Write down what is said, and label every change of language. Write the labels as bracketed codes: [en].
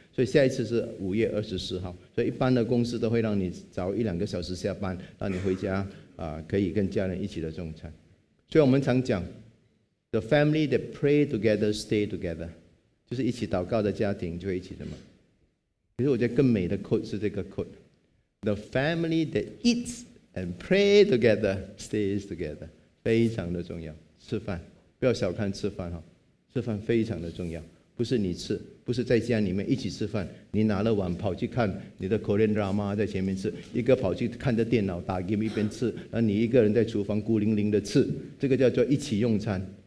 [zh] 所以下一次是5月24号，所以一般的公司都会让你早一两个小时下班，让你回家可以跟家人一起的用餐。所以我们常讲 [en] The family that pray together stay together， [zh] 就是一起祷告的家庭就会一起的嘛。其实我觉得更美的 quote 是这个 quote， [en] The family that eatsAnd pray together, stays together， [zh] 非常的重要。吃饭，不要小看吃饭，吃饭非常的重要。不是你吃，不是在家里面一起吃饭，你拿了碗跑去看你的 Korean drama 在前面吃，一个跑去看着电脑打 game 一边吃，然后你一个人在厨房孤零零的吃，这个叫做一起用餐。